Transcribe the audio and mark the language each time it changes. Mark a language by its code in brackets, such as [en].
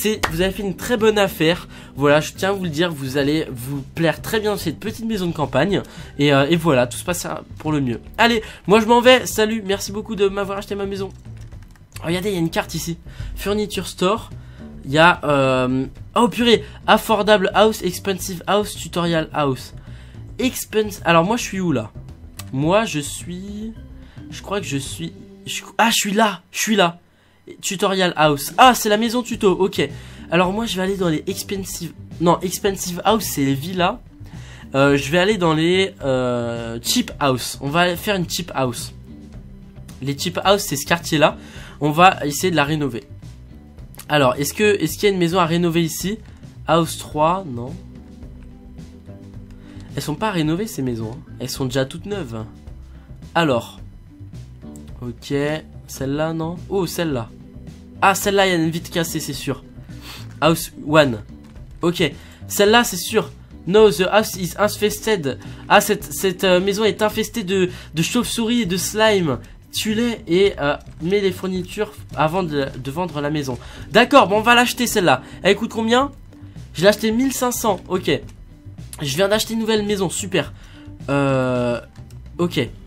[fr] Vous avez fait une très bonne affaire. Voilà, je tiens à vous le dire, vous allez vous plaire très bien dans cette petite maison de campagne. Et voilà, tout se passe pour le mieux. Allez, moi je m'en vais. Salut, merci beaucoup de m'avoir acheté ma maison. Regardez, il y a une carte ici. [en] Furniture store. [fr] Il y a... oh purée. [en] Affordable house, expensive house, tutorial house. [fr] Alors moi je suis où là? Moi je suis, je crois que je suis, je suis là, tutorial house, ah c'est la maison tuto, ok. Alors moi je vais aller dans les expensive house, c'est les villas, je vais aller dans les cheap house, on va faire une cheap house. Les cheap house c'est ce quartier là, on va essayer de la rénover. Alors est-ce qu'il y a une maison à rénover ici? House 3, non. Elles sont pas rénovées ces maisons. Elles sont déjà toutes neuves. Alors. Ok. Celle-là, non? Oh, celle-là. Ah, celle-là, il y a une vitre cassée, c'est sûr. House 1. Ok. Celle-là, c'est sûr. [en] No, the house is infested. [fr] Ah, cette maison est infestée de chauves-souris et de slime. Tu l'es et mets les fournitures avant de vendre la maison. D'accord, bon, on va l'acheter celle-là. Elle coûte combien? Je l'ai acheté 1500. Ok. Je viens d'acheter une nouvelle maison, super. Ok.